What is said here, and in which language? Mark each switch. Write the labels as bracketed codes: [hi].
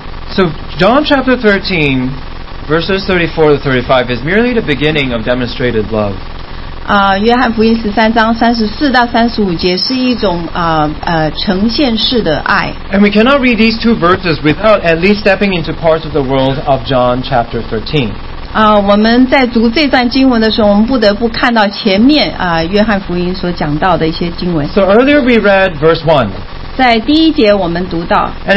[en] So John chapter 13, verses 34 to 35 is merely the beginning of demonstrated love. [zh] 约翰福音13章34到35节是一种呈现式的爱。And [en] we cannot read these two verses without at least stepping into parts of the world of John chapter 13. [zh] 我们在读这段经文的时候，我们不得不看到前面约翰福音所讲到的一些经文。So [en] earlier we read verse 1. [zh] 在第一节我们读到。And